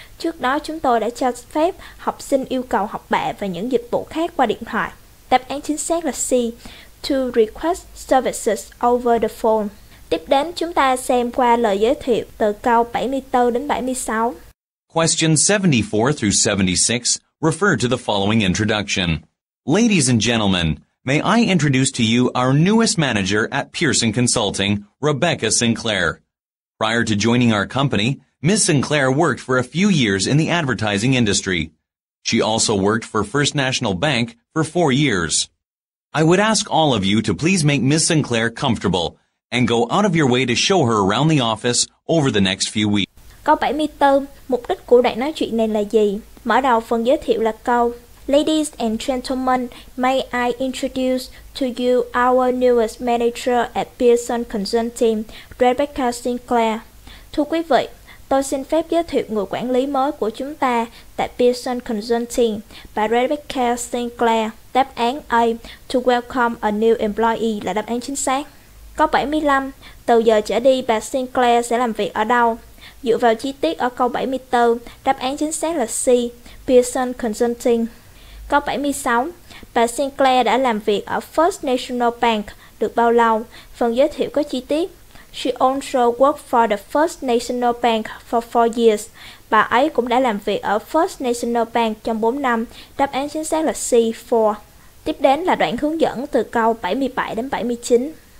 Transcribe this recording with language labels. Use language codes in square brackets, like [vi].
[vi] Trước đó chúng tôi đã cho phép học sinh yêu cầu học bạ và những dịch vụ khác qua điện thoại. Đáp án chính xác là C, [en] to request services over the phone. [vi] Tiếp đến chúng ta xem qua lời giới thiệu từ câu 74 đến 76. [en] Questions 74 through 76 refer to the following introduction. Ladies and gentlemen, may I introduce to you our newest manager at Pearson Consulting, Rebecca Sinclair. Prior to joining our company, Ms. Sinclair worked for a few years in the advertising industry. She also worked for First National Bank for 4 years. I would ask all of you to please make Ms. Sinclair comfortable and go out of your way to show her around the office over the next few weeks. [vi] Câu 74. Mục đích của đoạn nói chuyện này là gì? Mở đầu phần giới thiệu là câu [en] Ladies and gentlemen, may I introduce to you our newest manager at Pearson Consulting, Rebecca Sinclair. [vi] Thưa quý vị, tôi xin phép giới thiệu người quản lý mới của chúng ta tại Pearson Consulting, bà Rebecca Sinclair. Đáp án A, [en] to welcome a new employee [vi] là đáp án chính xác. Câu 75, từ giờ trở đi bà Sinclair sẽ làm việc ở đâu? Dựa vào chi tiết ở câu 74, đáp án chính xác là C, Pearson Consulting. Câu 76, bà Sinclair đã làm việc ở First National Bank được bao lâu? Phần giới thiệu có chi tiết. [en] She also worked for the First National Bank for 4 years. [vi] Bà ấy cũng đã làm việc ở First National Bank trong 4 năm. Đáp án chính xác là C, 4. Tiếp đến là đoạn hướng dẫn từ câu 77 đến 79.